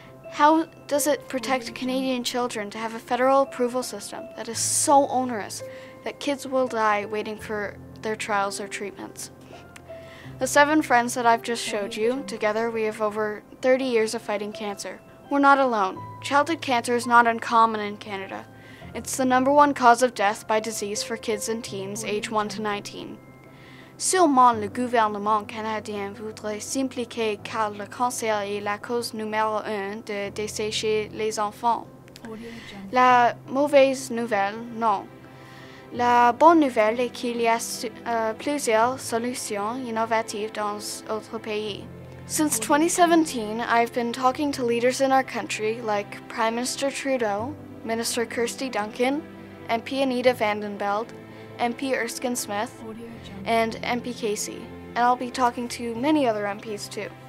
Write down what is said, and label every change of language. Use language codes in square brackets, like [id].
[en] How does it protect Canadian children to have a federal approval system that is so onerous that kids will die waiting for their trials or treatments? The seven friends that I've just showed you, together we have over 30 years of fighting cancer. We're not alone. Childhood cancer is not uncommon in Canada. It's the number one cause of death by disease for kids and teens age 1 to 19. [fr] Sûrement le gouvernement canadien voudrait s'impliquer car le cancer est la cause numéro un de décès chez les enfants. La mauvaise nouvelle, non. La bonne nouvelle est qu'il y a plusieurs solutions innovatives dans d'autres pays. [en] Since 2017, I've been talking to leaders in our country like Prime Minister Trudeau, Minister Kirsty Duncan, MP Anita van den Belt, MP Erskine Smith, and MP Casey, and I'll be talking to many other MPs too.